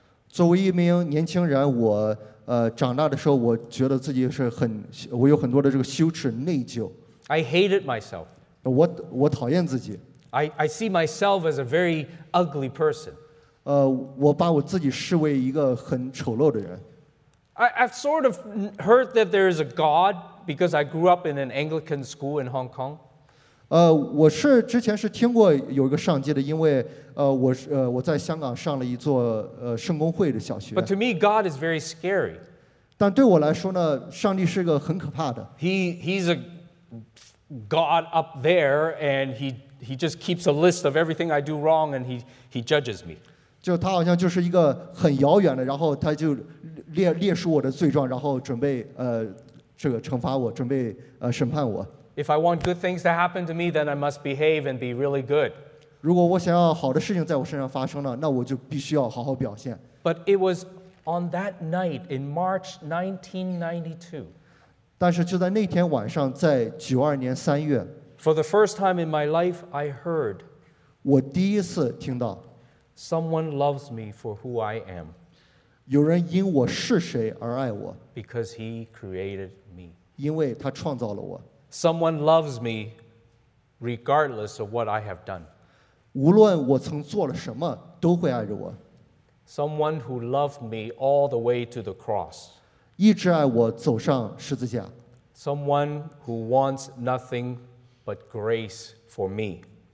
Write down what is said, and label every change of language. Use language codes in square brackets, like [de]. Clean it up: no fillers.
[zh] 作为一名年轻人，我长大的时候，我觉得自己是很，我有很多的这个羞耻、内疚。 [en] I hated myself. [zh] 我讨厌自己。 [en] I see myself as a very ugly person. [zh] 我把我自己视为一个很丑陋的人。 [en] I've sort of heard that there is a God. Because I grew up in an Anglican school in Hong Kong. [zh] 我是之前是听过有一个上帝的，因为我在香港上了一座圣公会的小学。 [en] But to me, God is very scary. [zh] 但对我来说呢，上帝是个很可怕的。 [en] He's a God up there, and he just keeps a list of everything I do wrong, and he judges me. [zh] 就他好像就是一个很遥远的，然后他就列出我的罪状，然后准备这个惩罚我，准备审判我。 [en] If I want good things to happen to me, then I must behave and be really good. [zh] 如果我想要好的事情在我身上发生了，那我就必须要好好表现。 [en] But it was on that night in March 1992. [zh] 但是就在那天晚上，在92年3月。 [en] For the first time in my life, I heard. [zh] 我第一次听到。 [en] Someone loves me for who I am. [zh] 有人因我是谁而爱我。 [en] Because he created me. [zh] 因为他创造了我。 [en] Someone loves me regardless of what I have done. [zh] 无论我曾做了什么，都会爱着我。 [en] Someone who loved me all the way to the cross. [zh] 一直爱我走上十字架。 [en] Someone who wants nothing but grace for me.